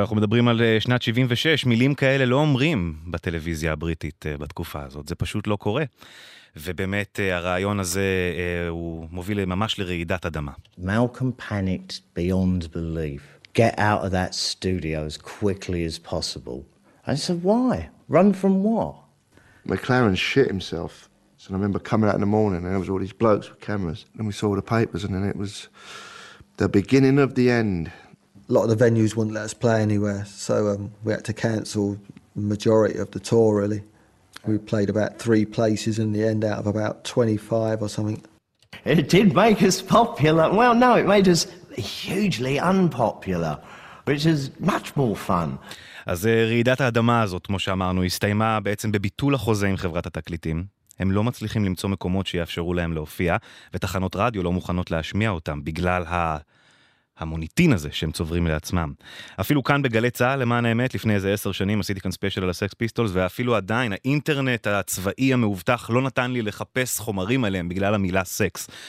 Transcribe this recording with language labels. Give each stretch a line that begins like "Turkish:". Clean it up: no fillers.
Hebrew: אנחנו מדברים על שנת 76, מילים כאלה לא אומרים בטלוויזיה הבריטית בתקופה הזאת, זה פשוט לא קורה. ובאמת הרעיון הזה הוא מוביל ממש לרעידת אדמה.
English: Malcolm panicked beyond belief. Get out of that studio as quickly as possible. I said, why? Run from what? McLaren shit himself. So I remember coming out in the morning and there was all these blokes with cameras and we saw the papers and then it was the beginning of the end. A lot of the venues wouldn't let us play anywhere, so we had to cancel the majority of the tour, really. We played about 3 places in the end out of about 25 or something. It did make us popular. Well, no, it made us hugely unpopular, which is much more fun.
Hebrew: אז רעידת האדמה הזאת, כמו שאמרנו, הסתיימה בעצם בביטול החוזה עם חברת התקליטים. הם לא מצליחים למצוא מקומות שיאפשרו להם להופיע, ותחנות רדיו לא מוכנות להשמיע אותם בגלל המוניטין הזה שהם צוברים לעצמם. אפילו כאן בגלי צהל, למען האמת, לפני איזה 10 שנים, עשיתי כאן ספיישל על הסקס פיסטולס, ואפילו עדיין, האינטרנט הצבאי המאובטח לא נתן לי לחפש חומרים עליהם בגלל המילה סקס.